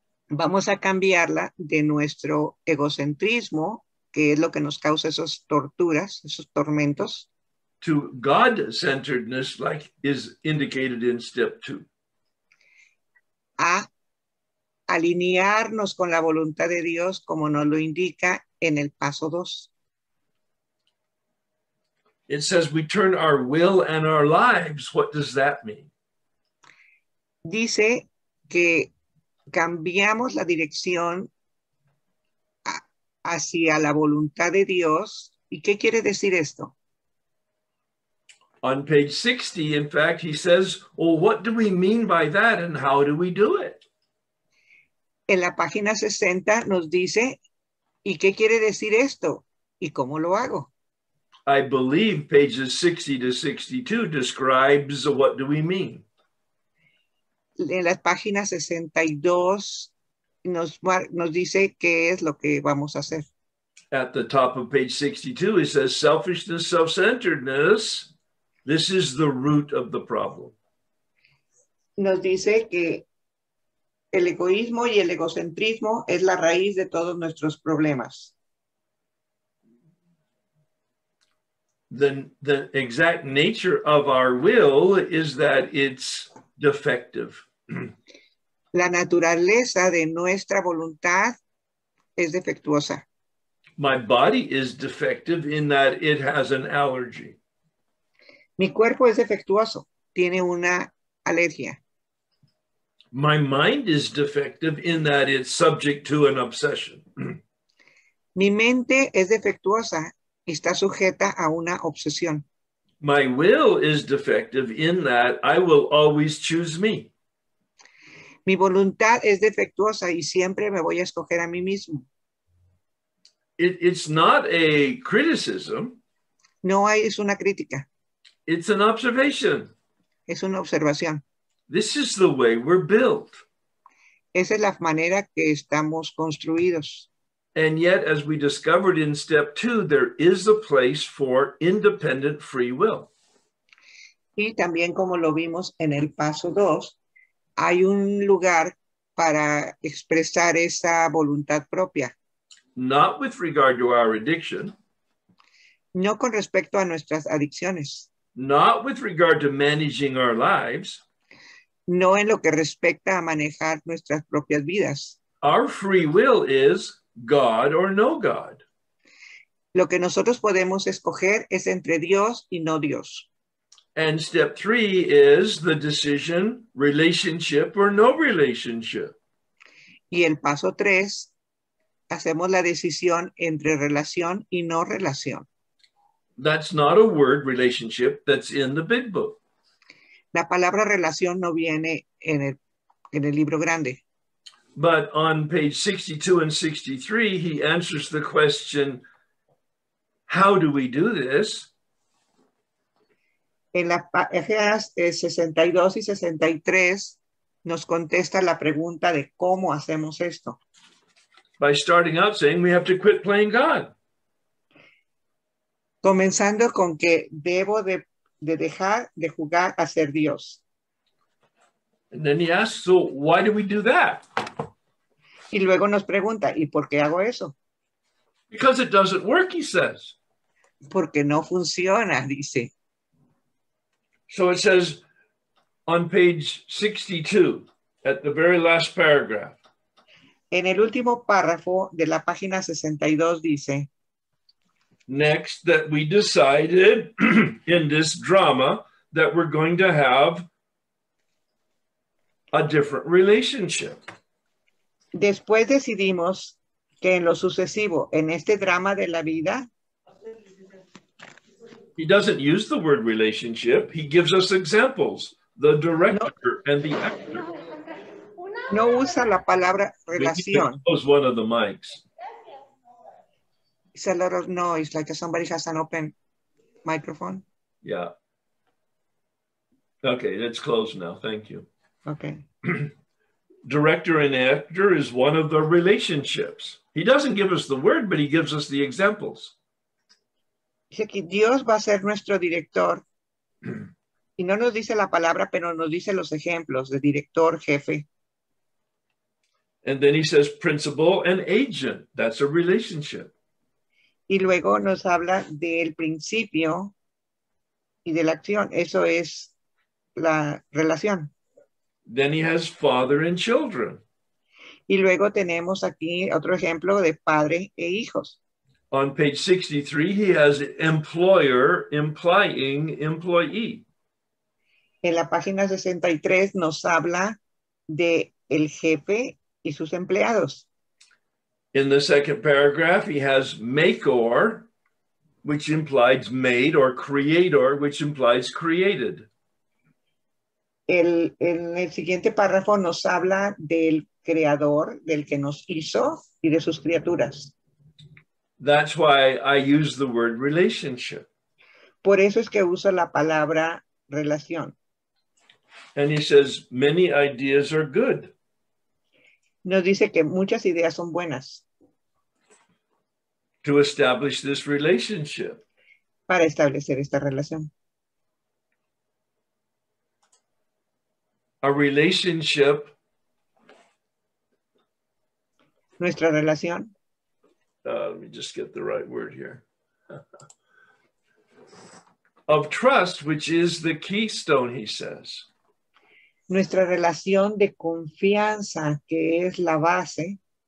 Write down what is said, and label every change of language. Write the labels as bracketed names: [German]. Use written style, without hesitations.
[Spanish] Vamos a cambiarla de nuestro egocentrismo, que es lo que nos causa esas torturas, esos tormentos. [English] To God-centeredness, like is indicated in step two. [Spanish] A alinearnos con la voluntad de Dios, como nos lo indica en el paso dos. [English] It says we turn our will and our lives. What does that mean? [Spanish] Dice que cambiamos la dirección hacia la voluntad de Dios. ¿Y qué quiere decir esto? [English] On page 60, in fact, he says, well, what do we mean by that and how do we do it? [Spanish] En la página 60 nos dice, ¿y qué quiere decir esto? ¿Y cómo lo hago? [English] I believe pages 60 to 62 describes what do we mean. [Spanish] En la página 62 nos dice qué es lo que vamos a hacer. [English] At the top of page 62, it says selfishness, self-centeredness. This is the root of the problem. [Spanish] Nos dice que el egoísmo y el egocentrismo es la raíz de todos nuestros problemas. [English] The exact nature of our will is that it's defective. [Spanish] La naturaleza de nuestra voluntad es defectuosa. [English] My body is defective in that it has an allergy. [Spanish] Mi cuerpo es defectuoso, tiene una alergia. [English] My mind is defective in that it's subject to an obsession. [Spanish] Mi mente es defectuosa y está sujeta a una obsesión. [English] My will is defective in that I will always choose me. [Spanish] Mi voluntad es defectuosa y siempre me voy a escoger a mí mismo. [English] It's not a criticism. [Spanish] No, es una crítica. [English] It's an observation. [Spanish] Es una observación. [English] This is the way we're built. [Spanish] Esa es la manera que estamos construidos. [English] And yet, as we discovered in step two, there is a place for independent free will. [Spanish] Y también como lo vimos en el paso dos, hay un lugar para expresar esa voluntad propia. [English] Not with regard to our addiction. [Spanish] No con respecto a nuestras adicciones. [English] Not with regard to managing our lives. [Spanish] No en lo que respecta a manejar nuestras propias vidas. [English] Our free will is God or no God. [Spanish] Lo que nosotros podemos escoger es entre Dios y no Dios. [English] And step three is the decision, relationship or no relationship. [Spanish] Y el paso tres, hacemos la decisión entre relación y no relación. [English] That's not a word, relationship, that's in the big book. [Spanish] La palabra relación no viene en el libro grande. [English] But on page 62 and 63, he answers the question, how do we do this? [Spanish] En las páginas 62 y 63, nos contesta la pregunta de cómo hacemos esto. [English] By starting out saying we have to quit playing God. [Spanish] Comenzando con que debo de dejar de jugar a ser Dios. [English] And then he asks, so why do we do that? [Spanish] Y luego nos pregunta, ¿y por qué hago eso? [English] Because it doesn't work, he says. [Spanish] Porque no funciona, dice. [English] So it says on page 62, at the very last paragraph. [Spanish] En el último párrafo de la página 62 dice. [English] Next, that we decided in this drama that we're going to have a different relationship. [Spanish] Después decidimos que en lo sucesivo, en este drama de la vida. [English] He doesn't use the word relationship. He gives us examples, the director no. and the actor. [Spanish] No usa la palabra relación. [English] He closed one of the mics. It's a lot of noise, like somebody has an open microphone. Yeah. Okay, it's closed now. Thank you. Okay. Director and actor is one of the relationships. He doesn't give us the word, but he gives us the examples. [Spanish] Dice que Dios va a ser nuestro director. Y no nos dice la palabra, pero nos dice los ejemplos de director, jefe. [English] And then he says principal and agent. That's a relationship. [Spanish] Y luego nos habla del principio y de la acción. Eso es la relación. [English] Then he has father and children. [Spanish] Y luego tenemos aquí otro ejemplo de padre e hijos. [English] On page 63, he has employer implying employee. [Spanish] En la página 63 nos habla de el jefe y sus empleados. [English] In the second paragraph, he has maker, which implies made, or creator, which implies created. [Spanish] En el siguiente párrafo nos habla del creador, del que nos hizo, y de sus criaturas. [English] That's why I use the word relationship. [Spanish] Por eso es que uso la palabra relación. [English] And he says, many ideas are good. [Spanish] Nos dice que muchas ideas son buenas. [English] To establish this relationship. [Spanish] Para establecer esta relación. [English] A relationship. [Spanish] Nuestra relación. [English] Let me just get the right word here. Of trust, which is the keystone, he says. [Spanish] Nuestra relación de confianza, que es la base.